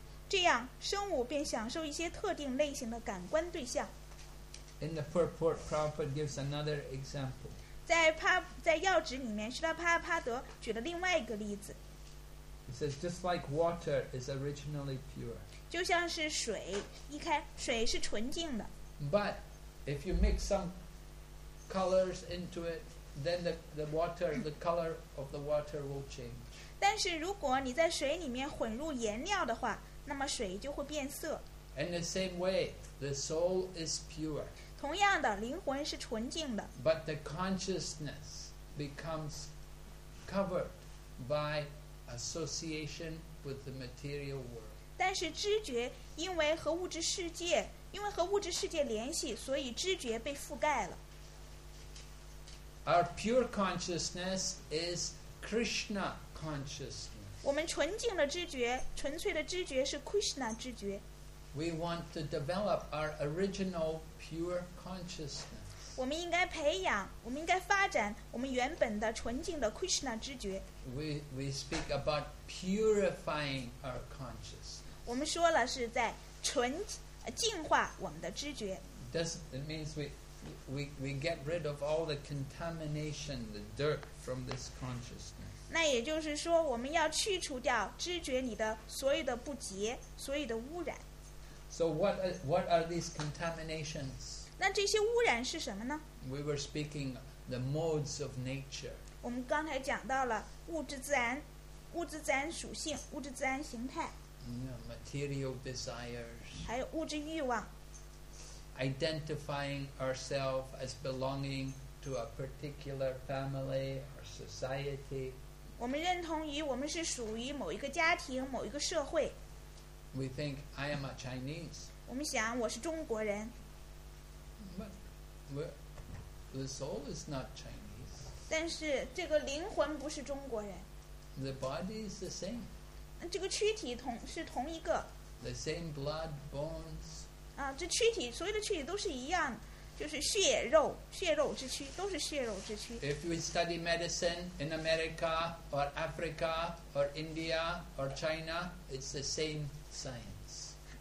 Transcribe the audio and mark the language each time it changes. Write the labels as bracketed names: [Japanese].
[Chinese] 这样, 生物便享受一些特定类型的感官对象。 [English] In the purport, Prabhupada gives another example. [Chinese] 在要旨里面, 舍拉帕帕德举了另外一个例子。 [English] He says, just like water is originally pure. [Chinese] 就像是水, 一开, 水是纯净的。 [English] But if you mix some colors into it, then the water, the color of the water will change. [Chinese] 但是如果你在水里面混入颜料的话, 那么水就会变色。 [English] In the same way, the soul is pure. [Chinese] 同样的, 灵魂是纯净的。 [English] But the consciousness becomes covered by association with the material world. [Chinese] 但是知觉因为和物质世界, 因为和物质世界联系, 所以知觉被覆盖了。 [English] Our pure consciousness is Krishna consciousness. [Chinese] 我们纯净的知觉, 纯粹的知觉是Krishna知觉。 [English] We want to develop our original pure consciousness. [Chinese] 我们应该培养, 我们应该发展, 我们原本的纯净的Krishna知觉。 [English] We speak about purifying our consciousness. [Chinese] 我们说了是在净化我们的知觉。 [English] It means we get rid of all the contamination, the dirt from this consciousness. [Chinese] 那也就是说, 我们要去除掉知觉里的所有的不洁，所有的污染。 [English] So what are these contaminations? [Chinese] 那这些污染是什么呢? [English] We were speaking the modes of nature. [Chinese] 我们刚才讲到了物质自然属性，物质自然形态。 [English] Material desires. [Chinese] 还有物质欲望。 [English] Identifying ourselves as belonging to a particular family or society. [Chinese] 我们认同于我们是属于某一个家庭，某一个社会。 [English] We think I am a Chinese. [Chinese] 我们想我是中国人。 [English] But the soul is not Chinese. [Chinese] 但是这个灵魂不是中国人。 [English] The body is the same. [Chinese] 这个躯体是同一个。 [English] The same blood, bones. [Chinese] 这躯体所有的躯体都是一样，就是血肉之躯，都是血肉之躯。 [English] If we study medicine in America or Africa or India or China, it's the same science.